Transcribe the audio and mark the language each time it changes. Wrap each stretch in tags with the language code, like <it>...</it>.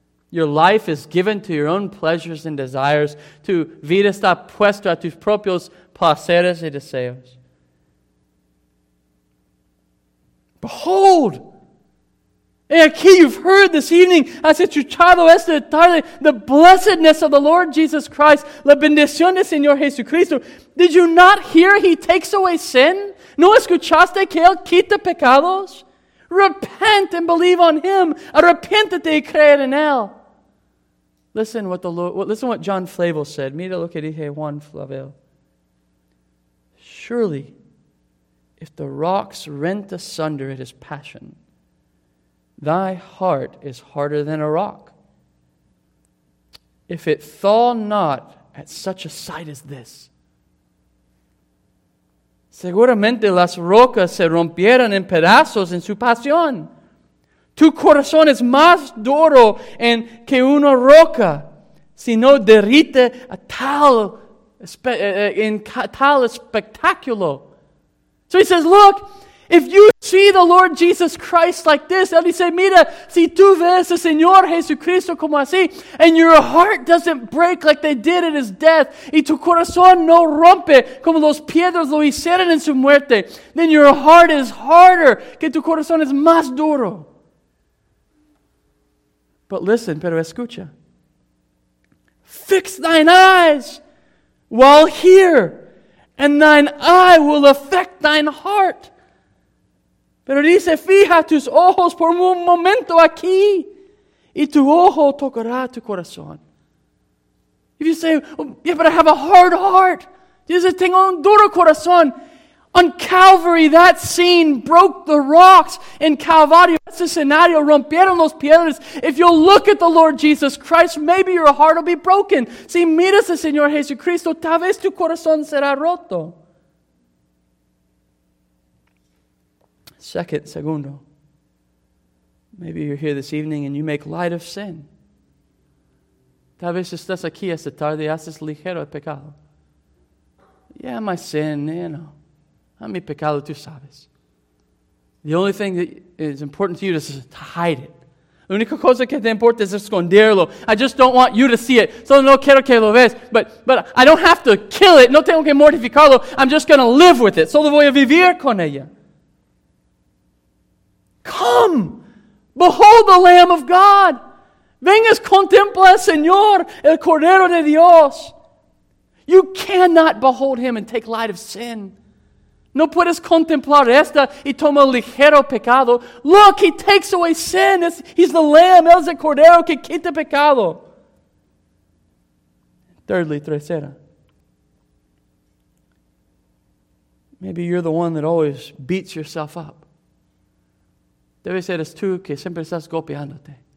<en>Your life is given to your own pleasures and desires.</en> <es>Tu vida está puesta a tus propios placeres y deseos.</es> <en>Behold!</en> <es>He aquí,</es> <en>you've heard this evening,</en> <es>has escuchado esta tarde,</es> <en>the blessedness of the Lord Jesus Christ,</en> <es>la bendición del Señor Jesucristo.</es> <en>Did you not hear he takes away sin?</en> <es>¿No escuchaste que él quita pecados?</es> <en>Repent and believe on him.</en> <es>Arrepiéntete y cree en él.</es> <en>Listen what the Lord, listen what John Flavel said.</en> <es>Mira lo que dije Juan Flavel.</es> <en>Surely, if the rocks rent asunder at his passion, thy heart is harder than a rock. If it thaw not at such a sight as this.</en> <es>Seguramente las rocas se rompieran en pedazos en su pasión. Tu corazón es más duro en que una roca si no derrite a tal, en tal espectáculo.</es> <en>So he says, look, if you see the Lord Jesus Christ like this,</en> <es>él dice, mira, si tú ves al Señor Jesucristo como así,</es> <en>and your heart doesn't break like they did at his death,</en> <es>y tu corazón no rompe como los piedras lo hicieron en su muerte,</es> <en>then your heart is harder,</en> <es>que tu corazón es más duro.</es> <en>But listen,</en> <es>pero escucha.</es> <en>Fix thine eyes while here, and thine eye will affect thine heart.</en> <es>Pero dice, fija tus ojos por un momento aquí, y tu ojo tocará tu corazón.</es> <en>If you say, oh, yeah, but I have a hard heart. Jesus,</en> <es>tengo un duro corazón.</es> <en>On Calvary, that scene broke the rocks in Calvario. That's the scenario.</en> <es>Rompieron los piedras.</es> <en>If you'll look at the Lord Jesus Christ, maybe your heart will be broken.</en> <es>Si miras al Señor Jesucristo, tal vez tu corazón será roto.</es> <en>Segundo. Maybe you're here this evening and you make light of sin.</en> <es>Tal vez estás aquí esta tarde y haces ligero el pecado.</es> <en>Yeah, my sin, you know.</en> <es>A mi pecado, tú sabes.</es> <en>The only thing that is important to you is to hide it.</en> <es>La única cosa que te importa es esconderlo.</es> <en>I just don't want you to see it. So</en> <es>no quiero que lo veas.</es> <en>But I don't have to kill it.</en> <es>No tengo que mortificarlo.</es> <en>I'm just going to live with it.</en> <es>Solo voy a vivir con ella.</es> <en>Come. Behold the Lamb of God.</en> <es>Vengas contempla al Señor, el Cordero de Dios.</es> <en>You cannot behold him and take light of sin.</en> <es>No puedes contemplar esta y toma ligero pecado.</es> <en>Look, he takes away sin. He's the lamb.</en> <es>Él es el cordero que quita pecado.</es> <en>Thirdly,</en> <es>tercera.</es> <en>Maybe you're the one that always beats yourself up.</en> <es>Debe ser es tú que siempre estás golpeándote.</es>